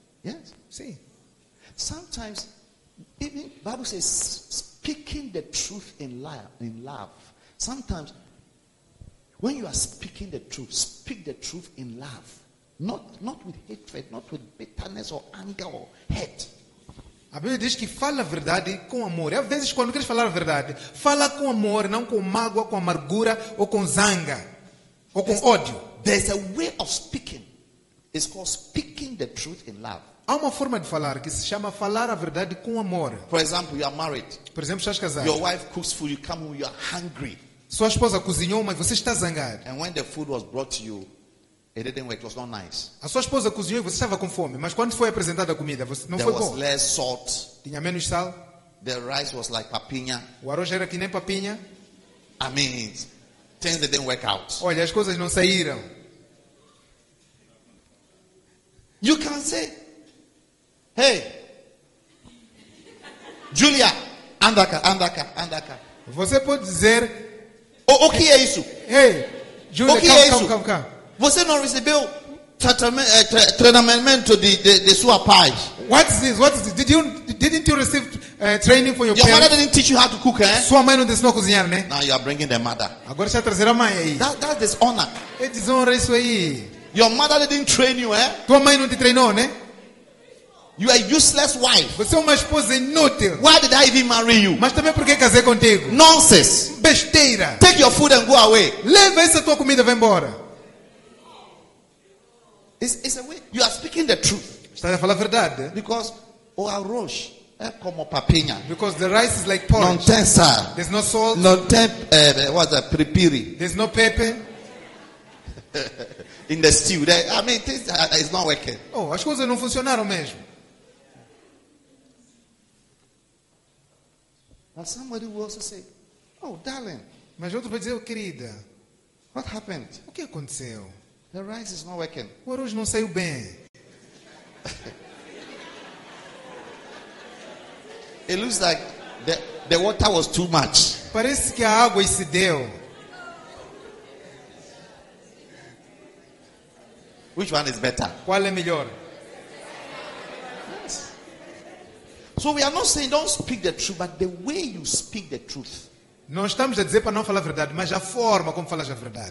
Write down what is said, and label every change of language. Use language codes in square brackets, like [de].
[en] Yes. [pt] Sim. [en] Sometimes even Bible says speaking the truth in love. Sometimes when you are speaking the truth, speak the truth in love. Not with hatred, not with bitterness or anger or hate. [pt] A Bíblia diz que fala a verdade com amor. E às vezes quando queres falar a verdade, fala com amor, não com mágoa, com amargura ou com zanga ou com ódio. [en] There's a way of speaking. It's called speaking the truth in love. [pt] Há uma forma de falar que se chama falar a verdade com amor. [en] For example, you are married. [pt] Por exemplo, estás casado. [en] Your wife cooks food, you come home, you are hungry. [pt] Sua esposa cozinhou, mas você está zangado. [en] And when the food was brought to you, it didn't work. It was not nice. [pt] A sua esposa cozinhou e você estava com fome, mas quando foi apresentada a comida, você não [en] there [pt] foi [en] was [pt] bom. [en] Less salt. [pt] Tinha menos sal. [en] The rice was like papinha. [pt] O arroz era que nem papinha. [en] I mean, things that didn't work out. [pt] Olha, as coisas não saíram. [en] You can say, hey, Julia, [pt] anda cá, anda cá, anda cá. Você pode dizer, o que é isso? Hey, Julia, calma. Você não recebeu treinamento de sua pai? [en] What is this? What is this? Didn't you receive training for your parents? Your mother didn't teach you how to cook, eh? [pt] Sua mãe não te ensinou a cozinhar, né? [en] Now you are bringing the mother. [pt] Agora você trazer a mãe aí. [en] That's dishonor. [pt] É desonra isso aí. [en] Your mother didn't train you, eh? [pt] Tua mãe não te treinou, né? [en] You are a useless wife. [pt] Você é uma esposa inútil. [en] Why did I even marry you? [pt] Mas também por que casei contigo? [en] Nonsense. [pt] Besteira. [en] Take your food and go away. [pt] Leva essa tua comida e vai embora. [en] It's a way. You are speaking the truth. [pt] Está a falar a verdade. Because o arroz é como papinha. [en] Because the rice is like porridge. [pt] Não tem sal. [en] There's no salt. [pt] Não tem [en] what's that? [pt] Piripiri. [en] There's no pepper. In the stew. Things is not working. [pt] Oh, as coisas não funcionaram mesmo. [en] And somebody will also say, oh, darling. [pt] Mas outro vai dizer, oh, querida. [en] What happened? [pt] O que aconteceu? [en] The rice is not working. [pt] O arroz não saiu bem. [en] It looks like the water was too much. [pt] Parece que a água excedeu. [en] Which one is better? [pt] Qual é melhor? [en] So we are not saying don't speak the truth, but the way you speak the truth. [pt] Não estamos a dizer para não falar a verdade, mas a forma como falas a verdade.